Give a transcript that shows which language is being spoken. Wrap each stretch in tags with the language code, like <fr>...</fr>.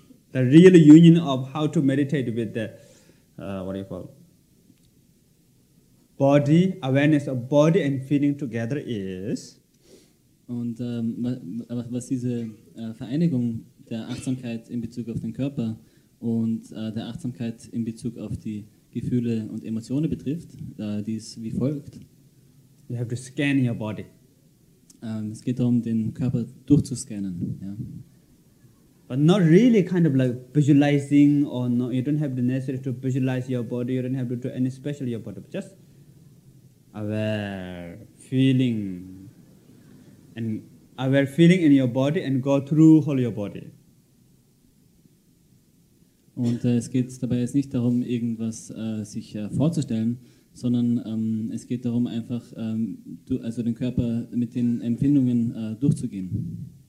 <en>The real union of how to meditate with the, body, awareness of body and feeling together is.</en> <de>Und was diese Vereinigung der Achtsamkeit in Bezug auf den Körper und der Achtsamkeit in Bezug auf die Gefühle und Emotionen betrifft, die ist wie folgt.</de> <en>You have to scan your body.</en> <de>Es geht darum, den Körper durchzuscannen. Ja.</de> <en>But not really kind of like visualizing or no, you don't have the necessity to visualize your body, you don't have to do any special your body, but just aware, feeling. And aware feeling in your body and go through all your body.</en> <de>Und es geht dabei jetzt nicht darum, irgendwas sich vorzustellen, sondern es geht darum, einfach den Körper mit den Empfindungen durchzugehen.</de>